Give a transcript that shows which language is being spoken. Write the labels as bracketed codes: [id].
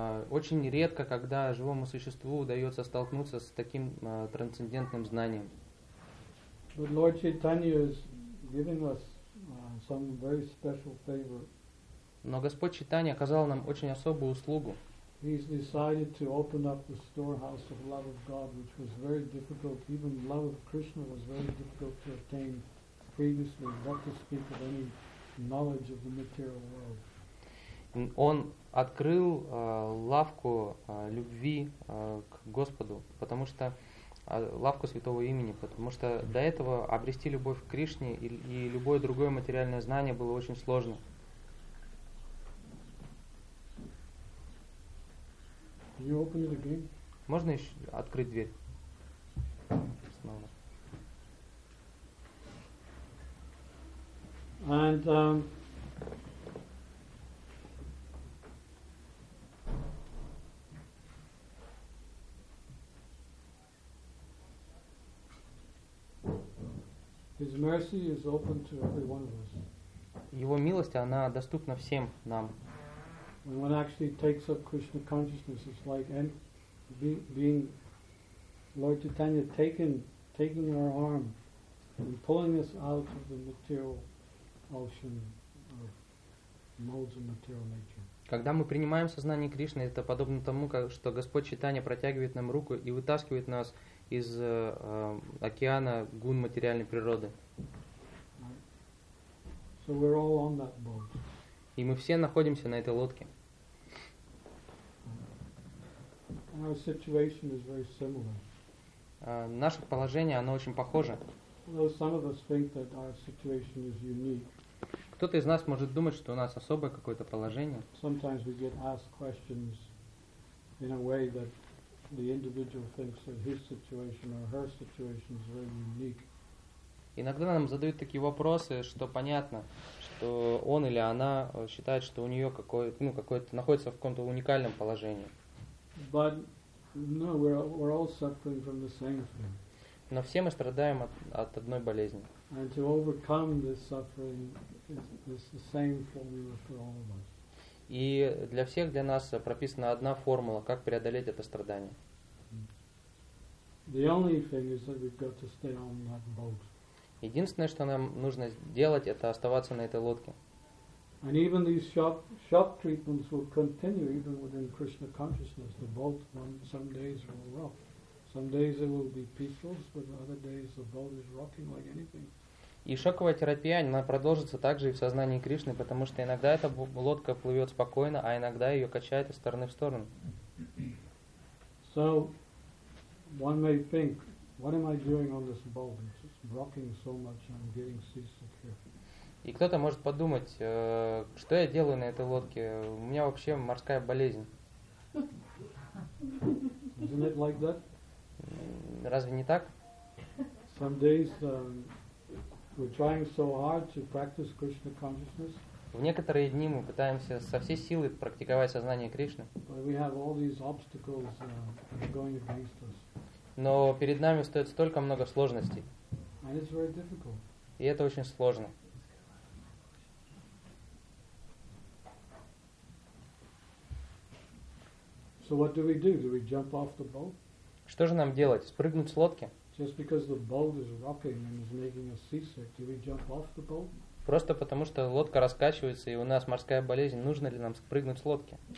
[ru] Очень редко, когда живому существу удается столкнуться с таким трансцендентным знанием. [en] But Lord Chaitanya is giving us some very special favor. [ru] Но Господь Чайтанья оказал нам очень особую услугу. [en] He's decided to open up the storehouse of love of God, which was very difficult. Even love of Krishna was very difficult to attain previously, not to speak of any knowledge of the material world. [ru] Он открыл лавку любви к Господу, потому что лавку святого имени, потому что до этого обрести любовь к Кришне и любое другое материальное знание было очень сложно. [en] Can you open it again? [ru] Можно еще открыть дверь? Снова. [en] And His mercy is open to every one of us. [ru] Его милость, она доступна всем нам. [en] When one actually takes up Krishna consciousness, it's like being Lord Chaitanya taking our arm and pulling us out of the material ocean of modes of material nature. [ru] Когда мы принимаем сознание Кришны, это подобно тому, как что Господь Чайтанья протягивает нам руку и вытаскивает нас из океана гун материальной природы. [en] So we're all on that boat. [ru] И мы все находимся на этой лодке. [en] Our situation is very similar. [ru] Наше положение, оно очень похоже. [en] Although some of us think that our situation is unique. [ru] Кто-то из нас может думать, что у нас особое какое-то положение. [en] Sometimes we get asked questions in a way that the individual thinks that his situation or her situation is very unique. [ru] Иногда нам задают такие вопросы, что понятно, что он или она считает, что у нее какое-то, ну, какое-то находится в каком-то уникальном положении. [en] But no, we're all suffering from the same thing. [ru] Но все мы страдаем от одной болезни. [en] And to overcome this suffering is the same formula for all of us. [ru] И для всех, для нас прописана одна формула, как преодолеть это страдание. [en] The only thing is that we've got to stay on that boat. [ru] Единственное, что нам нужно сделать, это оставаться на этой лодке. [en] And even these shock treatments will continue even within Krishna consciousness. The boat some days will rock. Some days it will be peaceful, but other days the boat is rocking like anything. [ru] И шоковая терапия, она продолжится также и в сознании Кришны, потому что иногда эта лодка плывет спокойно, а иногда ее качает из стороны в сторону. [en] So one may think, what am I doing on this boat? Rocking so much, I'm getting seasick here. [ru] И кто-то может подумать, что я делаю на этой лодке? У меня вообще морская болезнь. [en] Isn't it like that? [ru] Разве не так? [en] Some days we're trying so hard to practice Krishna consciousness. [ru] В некоторые дни мы пытаемся со всей силы практиковать сознание Кришны. [en] But we have all these obstacles going against us. [ru] Но перед нами стоит столько много сложностей. [en] And it's very difficult. [ru] И это очень сложно. [en] So what do we do? Do we jump off the boat? [ru] Что же нам делать? Спрыгнуть с лодки? [en] Just because the boat is rocking and is making us seasick, do we jump off the boat? [ru] Просто потому что лодка раскачивается и у нас морская болезнь, нужно ли нам спрыгнуть с лодки?